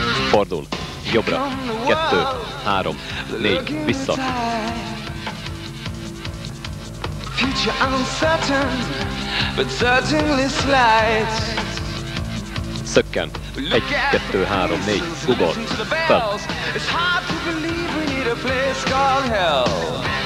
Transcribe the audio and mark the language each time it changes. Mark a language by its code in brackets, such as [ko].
[hu] Fordul, jobbra, kettő, három, négy, vissza. [en] Future uncertain, but certainly slight. [hu] Szökken, egy, kettő, három, négy, ugor, fel. [en] It's hard to believe we need a place called hell.